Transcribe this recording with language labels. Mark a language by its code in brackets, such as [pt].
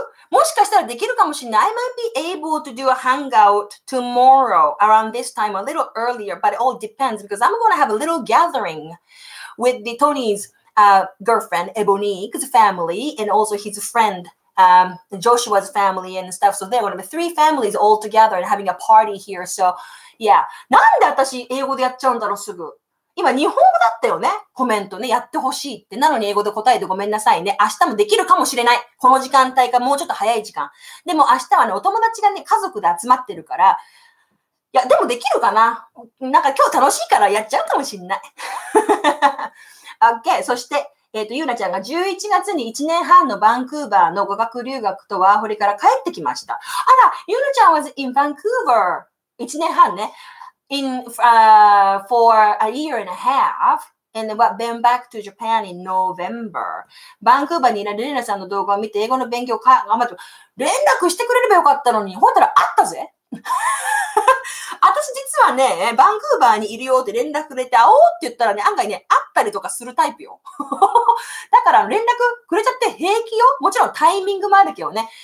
[ja] もしかしたらできるかもしれない。 [en] I might be able to do a hangout tomorrow around this time, a little earlier, but it all depends because I'm going to have a little gathering with the Tony's, girlfriend, Ebonique's family, and also his friend, Joshua's family and stuff. So they're going to be three families all together and having a party here. So, yeah. [ja] なんで私英語でやっちゃうんだろう、すぐ。今、日本語だったよね。コメントね。やってほしいって。なのに英語で答えてごめんなさいね。明日もできるかもしれない。この時間帯か、もうちょっと早い時間。でも明日はね、お友達がね、家族で集まってるから。いや、でもできるかな。なんか今日楽しいからやっちゃうかもしれない。 [en] OK。 [ja] そして、ゆうなちゃんが11月に1年半のバンクーバーの語学留学とワーホリから帰ってきました。あら、ゆうなちゃん [en] was in Vancouver [ja] 1年半ね。 [en] In, for a year and a half. And what been back to Japan in November. [ja] バンクーバーにいられるレナさんの動画を見て英語の勉強を頑張って、連絡してくれればよかったのに、ほんとら会ったぜ。私実はね、バンクーバーにいるよって連絡くれて会おうって言ったらね、案外ね、会ったりとかするタイプよ。だから連絡くれちゃって平気よ。もちろんタイミングもあるけどね。